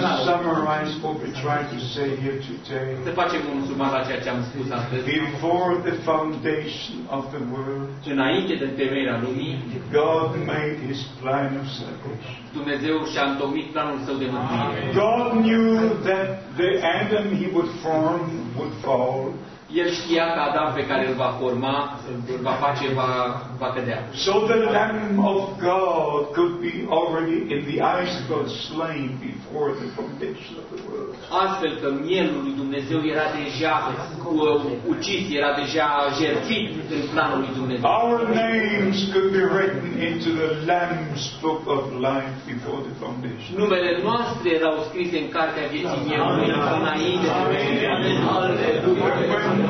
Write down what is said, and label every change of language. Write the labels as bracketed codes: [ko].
[en] Summarize what we're trying to say here today. [ro] Să facem un sumar la ceea ce am spus astăzi. [en] Before the foundation of the world, [ro] înainte de temerea lumii, [en] God made his plan of salvation. [ro] Dumnezeu și-a întocmit planul său de mântuire. [en] God knew that the Adam he would form would fall. [ro] El știa că Adam pe care îl va forma, îl va face, va cădea. [en] So the Lamb of God could be already in the eyes of God slain before the foundation of the world. [ro] Astfel că mielul lui Dumnezeu era deja ucis, era deja jertfit în planul lui Dumnezeu. [en] Our names could be written into the Lamb's book of life before the foundation. [ro] Numele noastre erau scrise în cartea vieții mielului înainte de Dumnezeu.